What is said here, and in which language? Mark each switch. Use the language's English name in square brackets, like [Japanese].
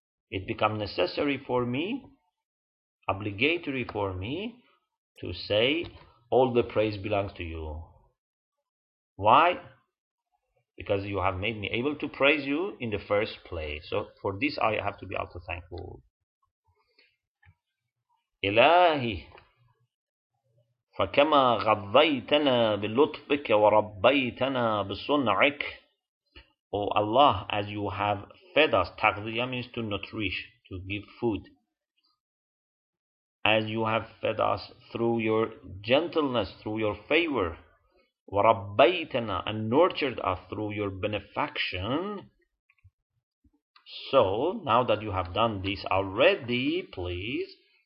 [English] it become necessary for me, obligatory for me, to say all the praise belongs to you. Why? Because you have made me able to praise you in the first place. So for this I have to be also thankful. [Arabic] إلهي فكما غضيتنا بلطفك وربيتنا بصنعك, [English] O Allah, as you have fed us, taghdiyah means to nourish, to give food, as you have fed us through your gentleness, through your favor, وَرَبَّيْتَنَا, and nurtured us through your benefaction, so now that you have done this already, please